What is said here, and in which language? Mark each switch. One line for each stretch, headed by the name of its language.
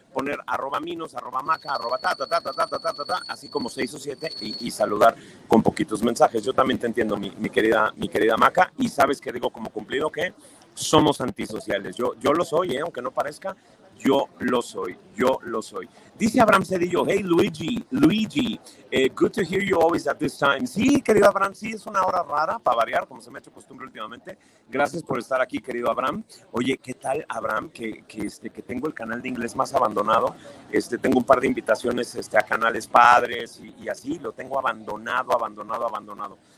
Spanish: Poner @Minos, @Maca, @ta, así como 6 o 7 y saludar con poquitos mensajes. Yo también te entiendo, mi querida Maca, y sabes que digo como cumplido que somos antisociales. Yo lo soy, aunque no parezca, yo lo soy.
English: Dice Abraham Cedillo, hey Luigi, good to hear you always at this time.
Spanish: Sí, querido Abraham, sí, es una hora rara para variar, como se me ha hecho costumbre últimamente. Gracias por estar aquí, querido Abraham. Oye, ¿qué tal, Abraham? Que tengo el canal de inglés más abandonado. Tengo un par de invitaciones a canales padres y así, lo tengo abandonado.